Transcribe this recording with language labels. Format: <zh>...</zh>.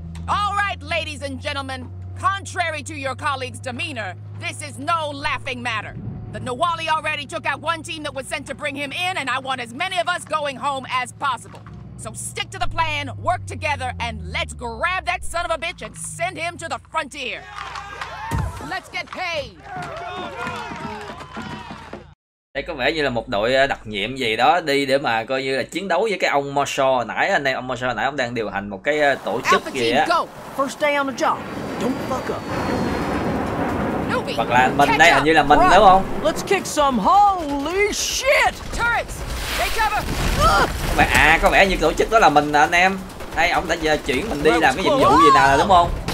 <en>All right, ladies and gentlemen, contrary to your colleague's demeanor, this is no laughing matter. The Nawali already took out one team that was sent to bring him in, and I want as many of us going home as possible. So stick to the plan, work together, and let's grab that son of a bitch and send him to the frontier. Let's get paid.</en> <vi>Đây có vẻ như là một đội đặc nhiệm gì đó đi để mà coi như là chiến đấu với cái ông Marshall nãy anh em. Ông Marshall nãy ông đang điều hành một cái tổ chức gì á.</vi> <en>First day on the job. Don't fuck up.</en> <vi>Hoặc là mình đây, hình như là mình đúng không?</vi> <en>Let's kick some holy shit. Turrets, take cover.</en> <vi>À, có vẻ như tổ chức đó là mình anh em. Đây, ổng đã chuyển mình đi làm cái nhiệm vụ gì nào là đúng không?</vi>